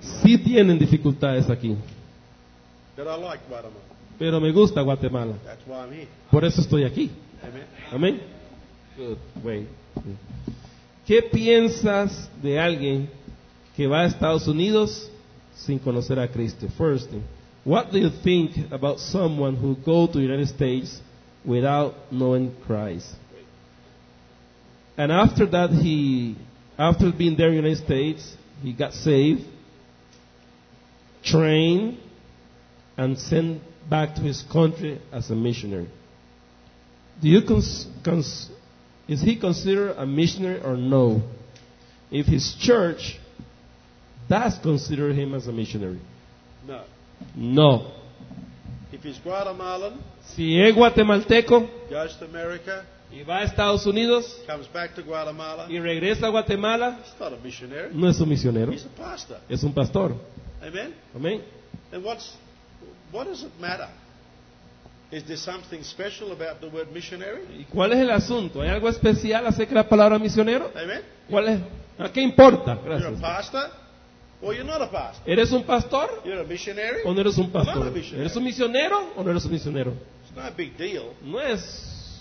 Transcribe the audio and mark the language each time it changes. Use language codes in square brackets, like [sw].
[es] Sí tienen dificultades aquí. [en] But I like Guatemala. [es] Pero me gusta Guatemala. [en] That's why I'm here. [es] Por eso estoy aquí. [en] Amen. Amen. Good way. [es] ¿Qué piensas de alguien que va a Estados Unidos sin conocer a Cristo? [en] First thing, what do you think about someone who goes to the United States without knowing Christ? And after that, after being there in the United States, he got saved, trained, and sent back to his country as a missionary. Do you is he considered a missionary or no? If his church does consider him as a missionary? No. [es] No. [en] If he's Guatemalan, [es] si es guatemalteco, [en] goes to America, [es] y va a Estados Unidos, [en] comes back to Guatemala, [es] y regresa a Guatemala, [en] he's not a missionary. [es] No es un misionero. [en] He's a pastor. [es] Es un pastor. [en] Amen. [es] Amen. [en] And what does it matter? Is there something special about the word missionary? [es] ¿Y cuál es el asunto? ¿Hay algo especial acerca de la palabra misionero? Amen. ¿Cuál es? ¿A qué importa? Gracias. [en] You're a pastor? Or you're not a pastor? [es] ¿Eres un pastor? [en] You're a missionary? [es] ¿O no eres un pastor? [en] I'm not a missionary. [es] ¿Eres un misionero o no eres un misionero? [en] It's not a big deal. [es] No es.